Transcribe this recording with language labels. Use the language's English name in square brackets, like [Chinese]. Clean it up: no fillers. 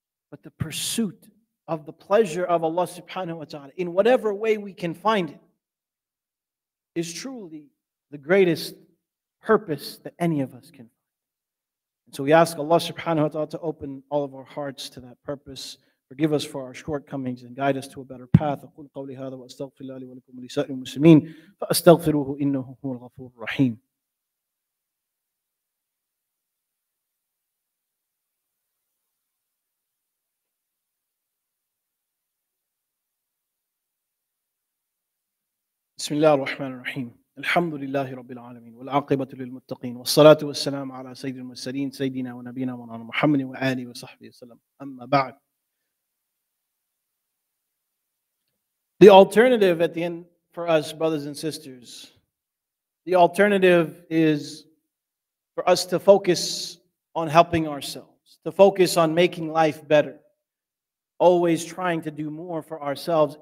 [English] But the pursuit of the pleasure of Allah subhanahu wa ta'ala, in whatever way we can find it, is truly the greatest purpose that any of us can find. And so we ask Allah subhanahu wa ta'ala to open all of our hearts to that purpose. Forgive us for our shortcomings and guide us to a better path. [Arabic] أقول قولي هذا وأستغفر الله لي ولكم ولسائر المسلمين فأستغفروه إنه هو الغفور الرحيم. بسم الله الرحمن الرحيم الحمد لله رب العالمين والعاقبة للمتقين والصلاة والسلام على سيد المرسلين سيدنا ونبينا مولانا محمد وآله وصحبه وسلم أما بعد. [English] The alternative at the end for us, brothers and sisters, the alternative is for us to focus on helping ourselves, to focus on making life better, always trying to do more for ourselves.